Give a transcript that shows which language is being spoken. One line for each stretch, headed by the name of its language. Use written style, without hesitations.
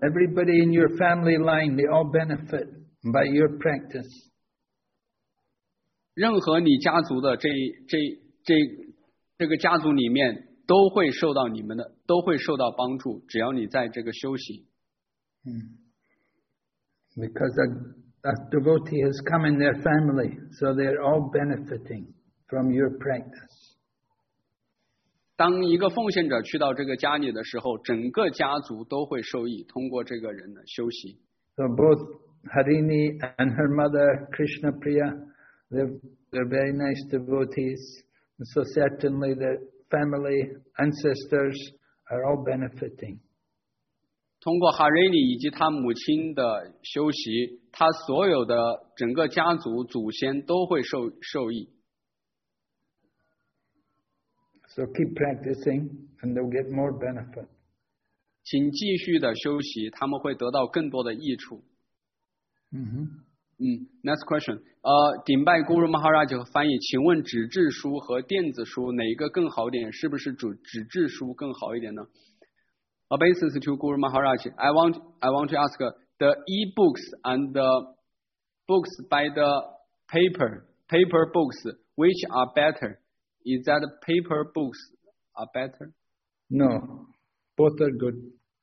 English: Everybody in your family line, they all benefit by your practice.
Chinese: 任何你家族的这个家族里面都会受到你们的都会受到帮助，只要你在这个修行。
English: Because a devotee has come in their family, so they're all benefiting from your practice.
Chinese: 当一个奉献者去到这个家里的时候，整个家族都会受益，通过这个人的修行。
English: So both Harini and her mother Krishna Priya, they're very nice devotees. So certainly the family ancestors are all benefiting.
Chinese: 通过 Harini 以及他母亲的修习，他所有的整个家族祖先都会受益。
English: So keep practicing and they'll get more benefit.
Chinese: 请继续的修习，他们会得到更多的益处。
English: Next question.
Chinese: Dimbai Guru Maharaj 翻译，请问纸质书和电子书哪一个更好一点？是不是纸质书更好一点呢？
English: A basis to Guru Maharaj. I want to ask the e-books and the books by the paper books, which are better? Is that paper books are better? No, both are good.